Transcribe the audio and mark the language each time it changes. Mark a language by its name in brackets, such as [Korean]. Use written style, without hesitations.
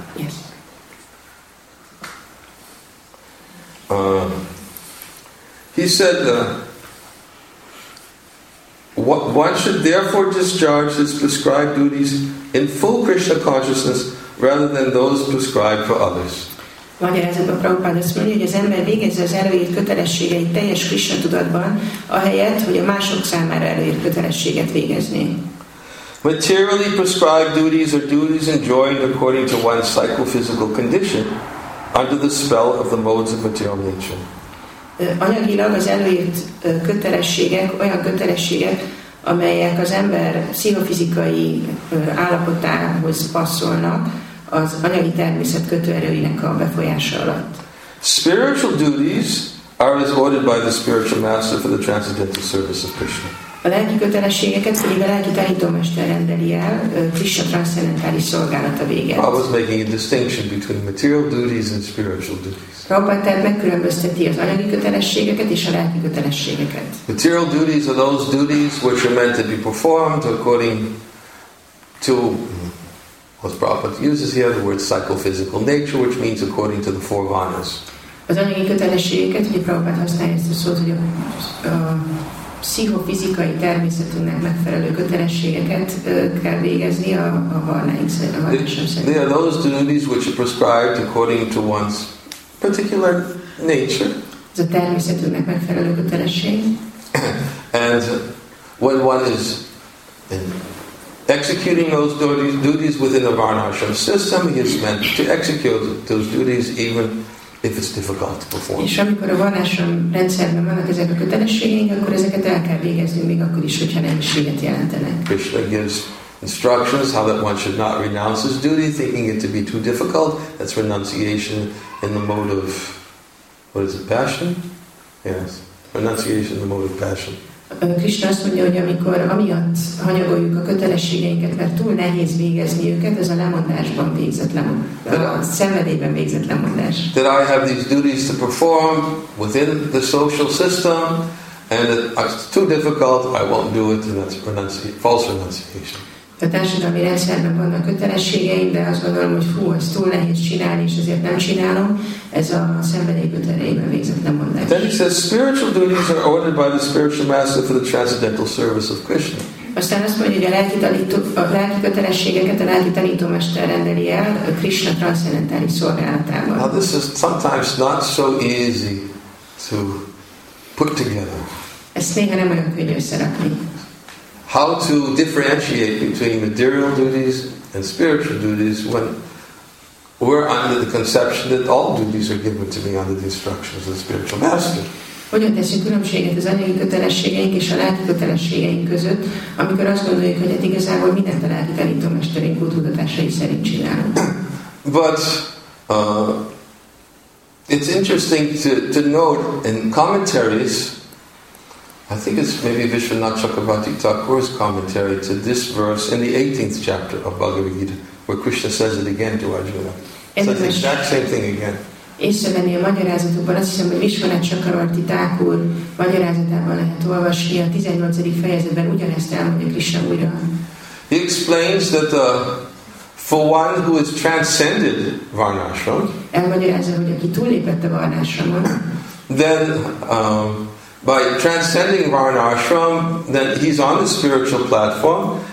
[English] Yes. He said, one should therefore discharge his prescribed duties in full Krishna consciousness rather than those prescribed for others. [Hungarian] Magyarázatban Prabhupada azt mondja, hogy az ember végezze az előírt kötelességeit teljes Krishna tudatban, ahelyett, hogy a mások számára előírt kötelességet végezné. [English] Materially prescribed duties are duties enjoined according to one's psychophysical condition under the spell of the modes of material nature. [Hungarian] Anyagilag az előírt kötelességek olyan kötelességek, amelyek az ember pszichofizikai állapotához passzolnak az anyagi természet kötőerőinek a befolyása alatt. [English] Spiritual duties are as ordered by the spiritual master for the transcendental service of Krishna. [Hungarian] A lelki kötelességeket pedig a lelki tanítómester rendeli el Krisna transzcendentális szolgálata véget. [English] I was making a distinction between material duties and spiritual duties. [Hungarian] Prabhupada megkülönbözteti az anyagi kötelességeket és a lelki kötelességeket. [English] Material duties are those duties which are meant to be performed according to what Prabhupada uses here, the word psychophysical nature, which means according to the four vanas. [Hungarian] Az anyagi kötelességeket, hogy Prabhupada használja ezt a szót, hogy a pszichofizikai természetünknek megfelelő kötelességeket kell végezni a varnáink szerint. [English] They are those duties which are prescribed according to one's particular nature. [Hungarian] Ez a természetünknek megfelelő kötelesség. [English] And when one is executing those duties within the varnashram system, he is meant to execute those duties even if it's difficult to perform. [Hungarian] És amikor a varnásom rendszerben vannak ezek a kötelességeink, akkor ezeket el kell végezni, még akkor is, hogyha nehézséget jelentenek. [English] Krishna gives instructions how that one should not renounce his duty, thinking it to be too difficult. That's renunciation in the mode of, what is it, passion? Yes, renunciation in the mode of passion. [Hungarian] Krishna azt mondja, hogy amikor amiatt hanyagoljuk a kötelességeinket, mert túl nehéz végezni őket, ez a lemondásban végzett lemondás, a szenvedélyben végzett lemondás. [English] That I have these duties to perform within the social system, and it's too difficult, I won't do it, and that's false renunciation. [Hungarian] A társadalmi rendszerben vannak kötelességeim, de azt gondolom, hogy hú, ez túl nehéz csinálni, és ezért nem csinálom. Ez a szenvedély kötelében végzett lemondás. [English] Then he says, spiritual duties are ordered by the spiritual master for the transcendental service of Krishna. [Hungarian] Aztán azt mondja, hogy a lelki kötelességeket a lelki tanítómester rendeli el a Krishna transzendentális szolgálatában. [English] Now this is sometimes not so easy to put together. [Hungarian] Ezt néha nem olyan könnyű összerakni. [English] How to differentiate between material duties and spiritual duties when we're under the conception that all duties are given to me under the instructions of the spiritual master. [Hungarian] Hogyan teszünk különbséget az anyagi kötelességeink és a lelki kötelességeink között, amikor azt gondoljuk, hogy igazából mindent a lelki tanítómesterünk utódatásai szerint csinálunk. [English] But it's interesting to note in commentaries, I think it's maybe Vishwanath Chakravarti Thakur's commentary to this verse in the 18th chapter of Bhagavad Gita, where Krishna says it again to Arjuna. So it's the exact same thing again. [Hungarian] Észrevenni a magyarázatokban, azt hiszem, hogy Vishwanath Chakravarti Thakur magyarázatában lehet olvasni, a 18. fejezetben ugyanezt elmondja Krishna újra. [English] He explains that for one who has transcended Varnashram, [Hungarian] elmagyarázza, hogy aki túllépett a Varnashramon, [English] then by transcending Varnashram, then he's on the spiritual platform,